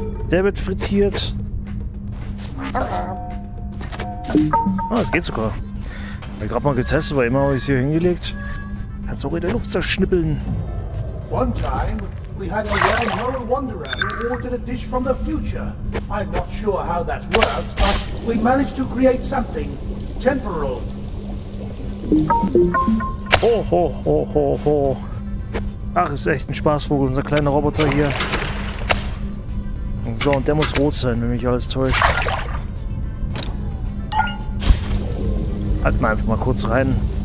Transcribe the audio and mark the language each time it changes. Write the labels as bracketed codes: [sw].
[de] Der wird frittiert. Ah, es geht sogar. Ich habe gerade mal getestet, aber immer habe ich es hier hingelegt. Kannst auch in der Luft zerschnippeln. [en] One time we had a wormhole wanderer who ordered a dish from the future. I'm not sure how that worked, but we managed to create something temporal. Ho ho ho ho ho. [de] Ach, ist echt ein Spaßvogel, unser kleiner Roboter hier. So, und der muss rot sein, wenn mich alles täuscht. Halt mal einfach mal kurz rein.